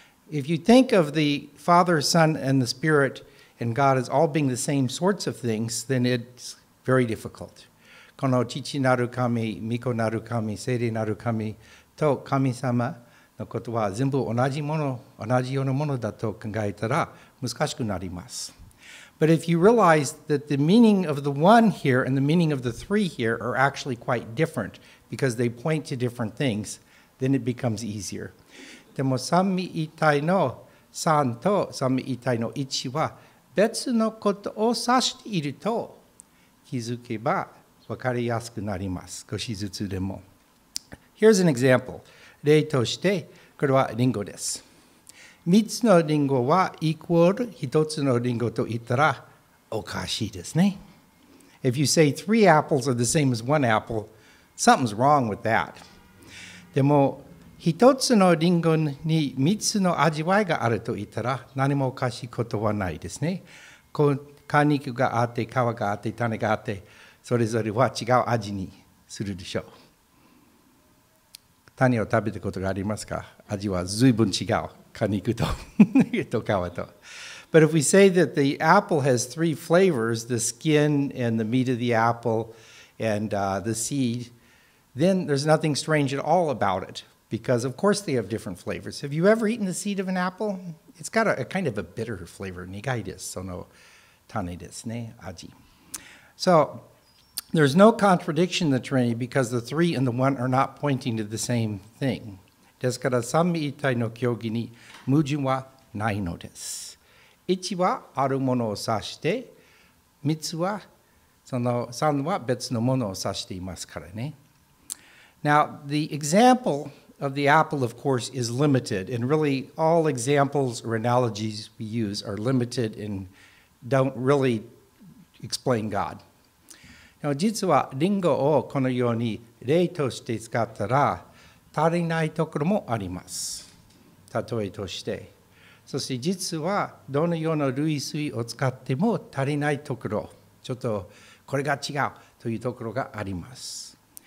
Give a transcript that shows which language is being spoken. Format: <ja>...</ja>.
<en>If you think of the Father, Son, and the Spirit, and God as all being the same sorts of things, then it's very difficult.</en> <ja>この父なる神、御子なる神、聖霊なる神と神様のことは全部同じもの、同じようなものだと考えたら難しくなります。</ja> <en>But if you realize that the meaning of the one here and the meaning of the three here are actually quite different because they point to different things, then it becomes easier.</en> <ja>でも三位一体の三と三位一体の一は別のことを指していると気づけば分かりやすくなります。少しずつでも。</ja> <en>Here's an example.</en> <ja>例として、これはリンゴです。三つのリンゴはイコール一つのリンゴと言ったらおかしいですね。</ja> <en>If you say three apples are the same as one apple, something's wrong with that.</en> <ja>でも一つのリンゴに三つの味わいがあると言ったら何もおかしいことはないですね。果肉があって皮があって種があってそれぞれは違う味にするでしょう。種を食べたことがありますか？味は随分違う。</ja> <en>But if we say that the apple has three flavors, the skin and the meat of the apple and the seed, then there's nothing strange at all about it, because of course they have different flavors. Have you ever eaten the seed of an apple? It's got a kind of a bitter flavor,</en> <ja>苦いです、その種ですね、味。</ja> <en>So there's no contradiction in the Trinity because the three and the one are not pointing to the same thing.</en> <ja>ですから三位一体の教義に矛盾はないのです。一はあるものを指して、三つはその三は別のものを指していますからね。</ja> <en>Now, the example of the apple, of course, is limited, and really all examples or analogies we use are limited and don't really explain God.</en> <ja>Now, 実はリンゴをこのように例として使ったら、足りないところもあります。例えとして。そして実はどのような類推を使っても足りないところ、ちょっとこれが違うというところがあります。</ja>